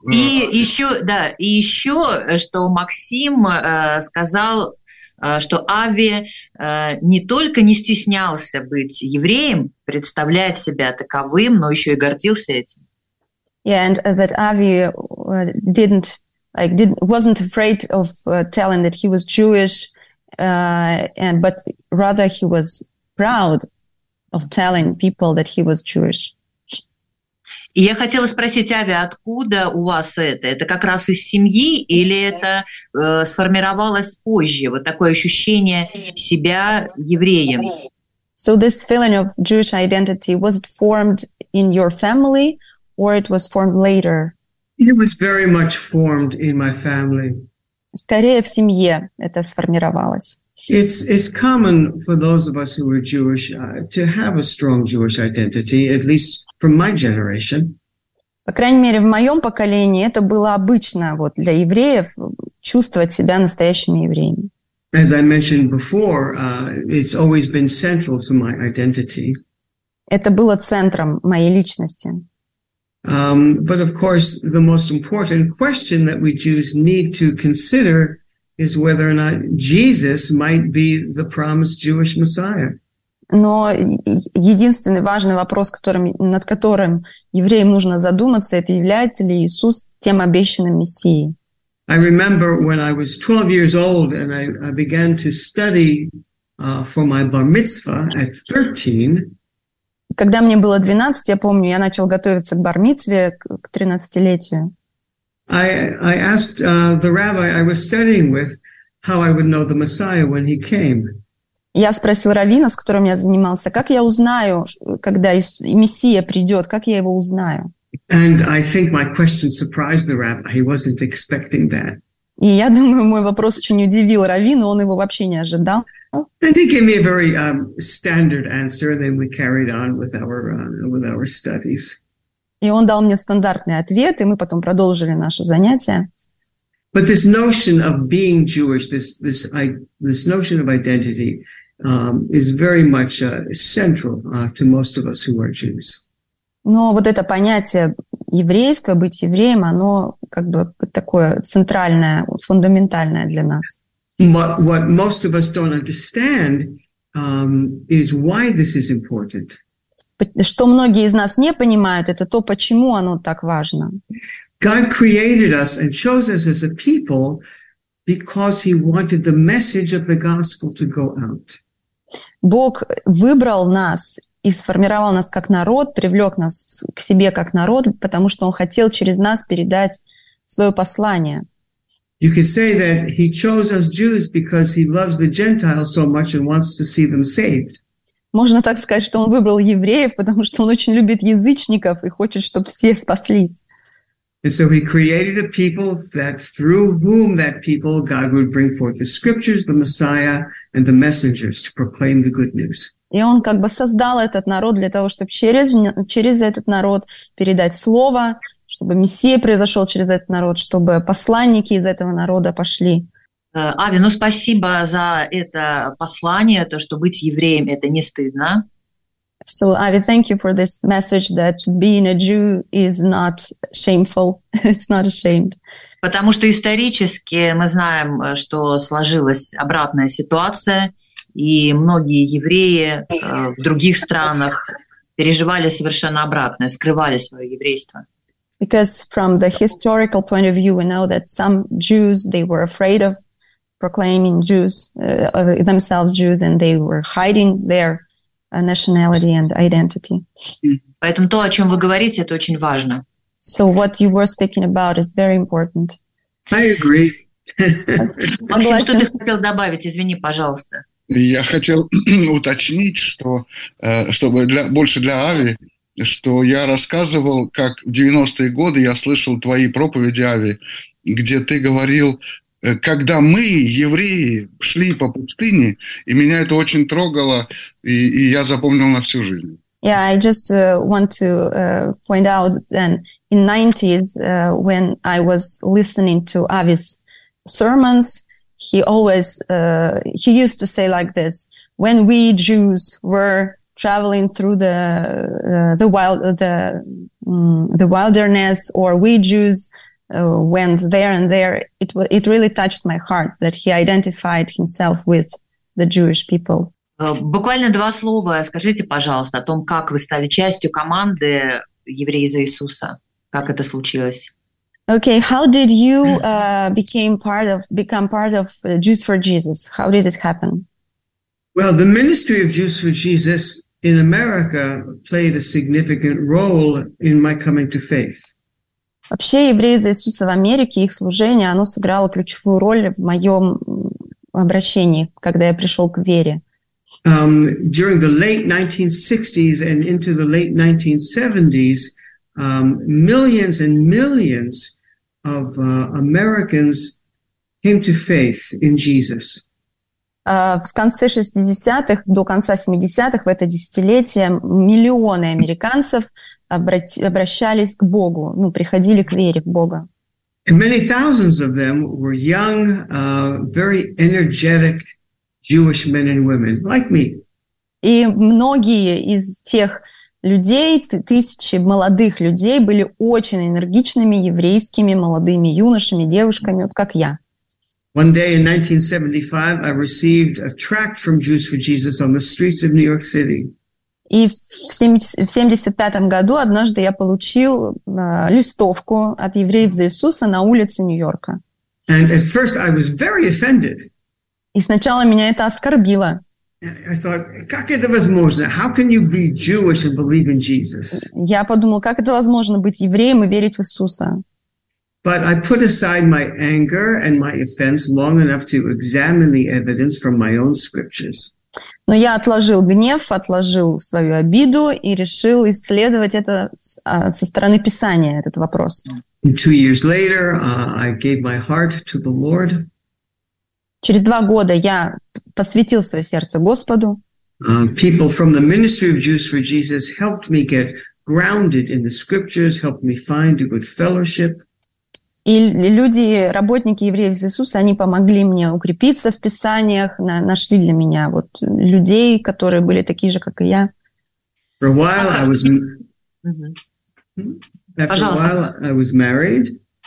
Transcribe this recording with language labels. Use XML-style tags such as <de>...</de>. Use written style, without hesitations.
<ru>И еще, да, и еще, что Максим сказал, что Ави не только не стеснялся быть евреем, представлять себя таковым, но еще и гордился этим.</ru> <en>Yeah, and that Avi wasn't afraid of telling that he was Jewish, but rather he was proud of telling people that he was Jewish.</en> <ru>И я хотела спросить Ави, откуда у вас это? Это как раз из семьи или это сформировалось позже? Вот такое ощущение себя евреем.</ru> <en>So this feeling of Jewish identity, was it formed in your family or it was formed later? It was very much formed in my family.</en> <ru>Скорее в семье это сформировалось.</ru> <en>It's common for those of us who are Jewish to have a strong Jewish identity, at least from my generation.</en> <ru>По крайней мере, в моем поколении это было обычно вот для евреев чувствовать себя настоящими евреями.</ru> <en>As I mentioned before, it's always been central to my identity.</en> <ru>Это было центром моей личности.</ru> <en>But of course, the most important question that we Jews need to consider is whether or not Jesus might be the promised Jewish Messiah.</en> <ru>Но единственный важный вопрос, которым, над которым евреям нужно задуматься, это является ли Иисус тем обещанным Мессией.</ru> <en>I remember when I was 12 years old and I began to study for my bar mitzvah at 13.</en> <ru>Когда мне было 12, я помню, я начал готовиться к бар мицве к 13-летию.</ru> <en>I asked the rabbi I was studying with how I would know the Messiah when he came.</en> <ru>Я спросил раввина, с которым я занимался, как я узнаю, когда Мессия придет, как я его узнаю?</ru> <en>And I think my question surprised the rabbi. He wasn't expecting that.</en> <ru>И я думаю, мой вопрос очень удивил раввина, он его вообще не ожидал.</ru> <en>And he gave me a very standard answer, and then we carried on with our studies.</en> <ru>И он дал мне стандартный ответ, и мы потом продолжили наши занятия.</ru> <en>But this notion of being Jewish, this notion of identity, is very much central to most of us who are Jews.</en> <ru>Но вот это понятие еврейства, быть евреем, оно как бы такое центральное, фундаментальное для нас.</ru> <en>What most of us don't understand is why this is important.</en> <ru>Что многие из нас не понимают, это то, почему оно так важно.</ru> <en>God created us and chose us as a people because he wanted the message of the gospel to go out.</en> <ru>Бог выбрал нас и сформировал нас как народ, привлек нас к себе как народ, потому что он хотел через нас передать свое послание.</ru> <en>You could say that he chose us Jews because he loves the Gentiles so much and wants to see them saved.</en> <ru>Можно так сказать, что он выбрал евреев, потому что он очень любит язычников и хочет, чтобы все спаслись.</ru> <en>And so he created a people that through whom that people God would bring forth the scriptures, the Messiah, and the messengers to proclaim the good news.</en> <ru>И он как бы создал этот народ для того, чтобы через этот народ передать слово, чтобы Мессия произошел через этот народ, чтобы посланники из этого народа пошли. Ави, ну спасибо за это послание, то, что быть евреем – это не стыдно.</ru> <en>So, Avi, thank you for this message that being a Jew is not shameful, it's not ashamed.</en> <ru>Потому что исторически мы знаем, что сложилась обратная ситуация, и многие евреи в других странах переживали совершенно обратное, скрывали свое еврейство.</ru> <en>Because from the historical point of view, we know that some Jews, they were afraid of proclaiming Jews, themselves Jews, and they were hiding their nationality and identity.</en> <ru>Поэтому то, о чем вы говорите, это очень важно.</ru> <en>So what you were speaking about is very important. I agree.</en> <ru>Максим, что ты хотел добавить? Извини, пожалуйста. Я хотел уточнить, что чтобы для Ави, что я рассказывал, как в 90-е годы я слышал твои проповеди, Ави, где ты говорил, когда мы, евреи, шли по пустыне, и меня это очень трогало, и я запомнил на всю жизнь.</ru> <en>Yeah, I just want to point out then, in 90s, when I was listening to Avi's sermons, he always, he used to say like this, when we Jews were traveling through the wilderness, or we Jews went there and there, it really touched my heart that he identified himself with the Jewish people.</en> <ru>Буквально два слова. Скажите, пожалуйста, о том, как вы стали частью команды «Евреи за Иисуса». Как это случилось?</ru> <en>Okay, how did you become part of Jews for Jesus? How did it happen? Well, the ministry of Jews for Jesus in America played a significant role in my coming to faith.</en> <ru>Вообще, «Евреи за Иисуса» в Америке, их служение, оно сыграло ключевую роль в моем обращении, когда я пришел к вере.</ru> <en>During the late 1960s and into the late 1970s, millions and millions of Americans came to faith in Jesus.</en> <ru>В конце 60-х, до конца 70-х, в это десятилетие, миллионы американцев обращались к Богу, ну, приходили к вере в Бога.</ru> <en>And many thousands of them were young, very energetic Jewish men and women, like me.</en> <ru>И многие из тех людей, тысячи молодых людей, были очень энергичными еврейскими молодыми юношами, девушками, вот как я.</ru> <en>One day in 1975, I received a tract from Jews for Jesus on the streets of New York City.</en> <ru>И в 75-м году однажды я получил листовку от евреев за Иисуса на улице Нью-Йорка.</ru> <en>And at first I was very offended.</en> <ru>И сначала меня это оскорбило.</ru> <en>I thought,</en> <ru>как это возможно?</ru> <en>How can you be Jewish and believe in Jesus?</en> <ru>Я подумал, как это возможно быть евреем и верить в Иисуса?</ru> <en>But I put aside my anger and my offense long enough to examine the evidence from my own scriptures.</en> <ru>Но я отложил гнев, отложил свою обиду и решил исследовать это со стороны Писания, этот вопрос.</ru> <en>Two years later, I gave my heart to the Lord.</en> <ru>Через два года я посвятил свое сердце Господу.</ru> <en>People from the Ministry of Jews for Jesus helped me get grounded in the scriptures, helped me find a good fellowship.</en> <ru>И люди, работники евреев за Иисуса, они помогли мне укрепиться в Писаниях, нашли для меня вот людей, которые были такие же, как и я.</ru> <en>For a while I was... After</en> <ru>Пожалуйста.</ru> <en>A while I was married.</en>